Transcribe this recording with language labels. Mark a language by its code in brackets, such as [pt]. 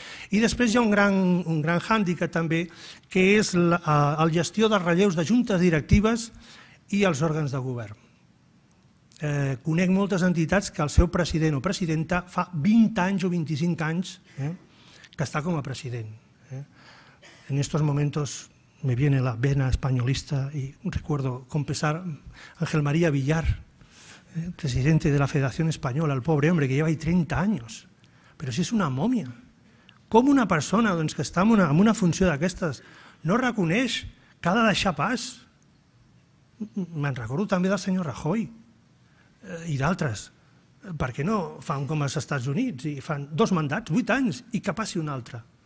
[ca] I després hi ha un gran hàndicap també, que és la gestió dels relleus de juntes directives i els òrgans de govern. Conec moltes entitats que el seu president o presidenta fa 20 anys o 25 anys que està com a president. [es] En aquests moments me viene la vena españolista y recuerdo con pesar Ángel María Villar, presidente de la Federación Española, el pobre hombre que lleva ahí 30 años, pero si es una momia. [ca] Com una persona doncs, que està en una funció d'aquestes no reconeix que ha de deixar pas? Me'n recordo també del senyor Rajoy i d'altres. Per què no fan com als Estats Units i fan dos mandats, 8 anys, i que passi un altre?